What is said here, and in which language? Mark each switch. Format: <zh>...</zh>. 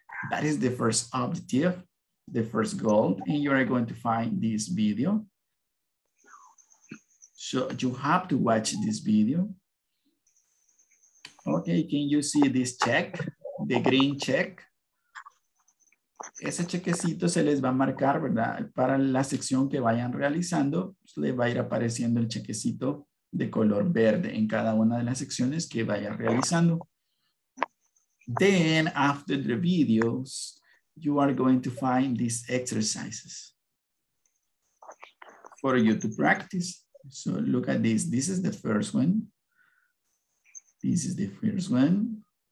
<en>That is the first objective, the first goal, and you are going to find this video. So you have to watch this video. Okay, can you see this check, the green check?</en> <es>Ese chequecito se les va a marcar, ¿verdad? Para la sección que vayan realizando, pues le va a ir apareciendo el chequecito de color verde en cada una de las secciones que vayan realizando.</es> <en>Then after the videos, you are going to find these exercises for you to practice. So look at this. This is the first one. This is the first one.</en>